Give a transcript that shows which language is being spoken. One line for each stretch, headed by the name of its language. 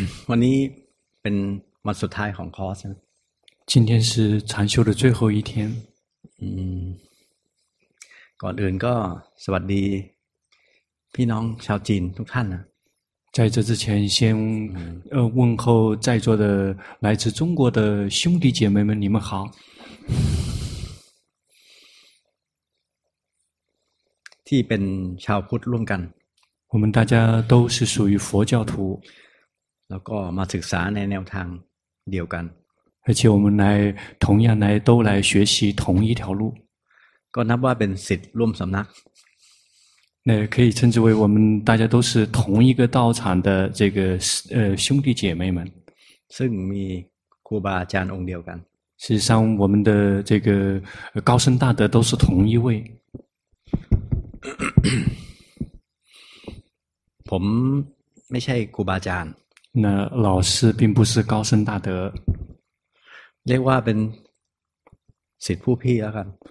Thai: วันนี้เป็นวันสุดท้ายของคอร์สนะ
Chinese: 今天是禅修的最后一天。
Thai: ก่อนอื่นก็สวัสดีพี่น้องชาวจีนทุกท่านนะ
Chinese: 在这之前先问候在座的来自中国的兄弟姐妹们，你们好。
Thai: ที่เป็นชาวพุทธร่วมกัน
Chinese: 我们大家都是属于佛教徒
Thai: แล้วก็มาศึกษาในแนวทางเดียวกัน
Chinese: 而且我们来同样来都来学习同一条路
Thai: ก็นับว่าเป็นศิษย์ร่วมสำนัก
Chinese: นะ可以称之为我们大家都是同一个道场的这个兄弟姐妹们
Thai: ซึ่งมีครูบาอาจารย์องค์เดียวกัน
Chinese: 事实上我们的这个高僧大德都是同一位
Thai: ผมไม่ใช่ครูบาอาจารย์
Chinese: 那老师并不是高僧大德
Thai: เรียกว่าเป็นศิษย์ผู้พี่แล้วกัน